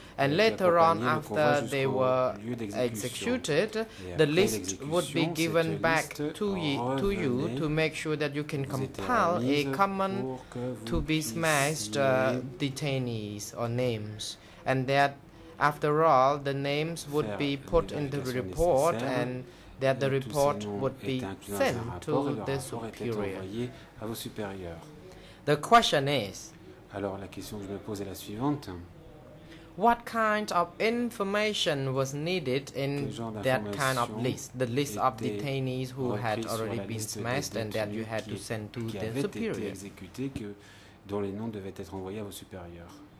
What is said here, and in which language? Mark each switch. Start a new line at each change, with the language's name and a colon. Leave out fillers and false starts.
English: And later on, after they were executed, the list would be given back to you to make sure that you can compile a common to be smashed detainees or names, and that after all, the names would be put in the report, and that the report would be sent to the superior. The question is,
French: alors, la question que je me pose est la suivante.
English: What kind of information was needed in that kind of list, the list of detainees who had already been smashed and that you had to send to their superior?
French: Dont les noms devaient être envoyés à vos supérieurs.